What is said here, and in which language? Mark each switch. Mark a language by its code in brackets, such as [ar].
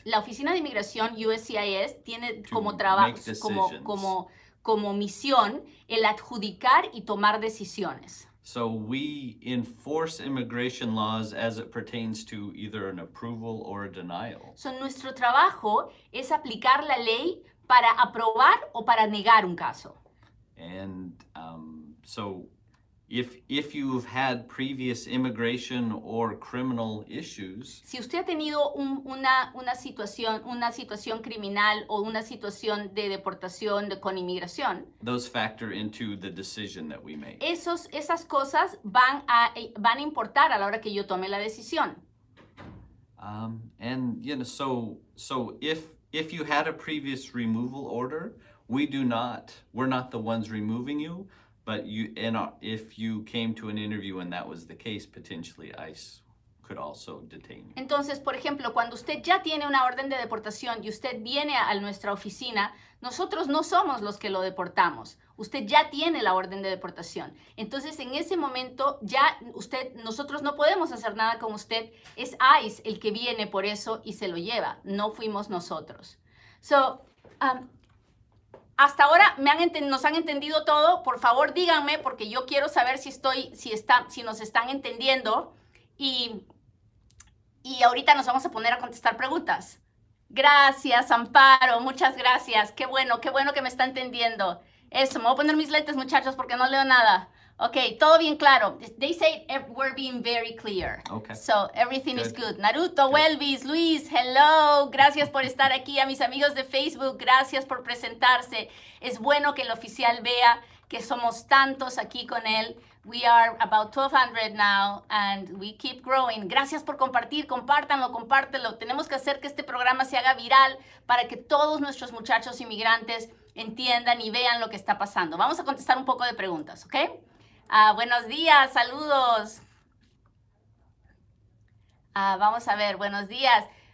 [es] La oficina de inmigración USCIS tiene como trabajo como misión el adjudicar y tomar decisiones. [en] So we enforce immigration laws as it pertains to either an approval or a denial. [es] So nuestro trabajo es aplicar la ley para aprobar o para negar un caso. [en] And so if you've had previous immigration or criminal issues, [es] si usted ha tenido una situación criminal o una situación de deportación con inmigración, [en] those factor into the decision that we make. [es] Esas cosas van a importar a la hora que yo tome la decisión. [en] And you know, so if you had a previous removal order, we're not the ones removing you. But if you came to an interview and that was the case, potentially ICE could also detain you. [es] Entonces, por ejemplo, cuando usted ya tiene una orden de deportación y usted viene a nuestra oficina, nosotros no somos los que lo deportamos. Usted ya tiene la orden de deportación. Entonces, en ese momento, ya usted, nosotros no podemos hacer nada con usted. Es ICE el que viene por eso y se lo lleva. No fuimos nosotros. So, hasta ahora nos han entendido todo. Por favor, díganme, porque yo quiero saber si nos están entendiendo. Y ahorita nos vamos a poner a contestar preguntas. Gracias, Amparo. Muchas gracias. Qué bueno que me está entendiendo. Eso, me voy a poner mis lentes, muchachos, porque no leo nada. [en] Ok, [es] todo bien claro. [en] They say we're being very clear. Okay. So, everything good. Is good. Naruto, good. Welvis, Luis, hello. [es] Gracias por estar aquí. A mis amigos de Facebook, gracias por presentarse. Es bueno que el oficial vea que somos tantos aquí con él. [en] We are about 1,200 now and we keep growing. [es] Gracias por compartir. Compártanlo. Tenemos que hacer que este programa se haga viral para que todos nuestros muchachos inmigrantes entiendan y vean lo que está pasando. Vamos a contestar un poco de preguntas, ¿ok? Buenos días, saludos. Vamos a ver, buenos días.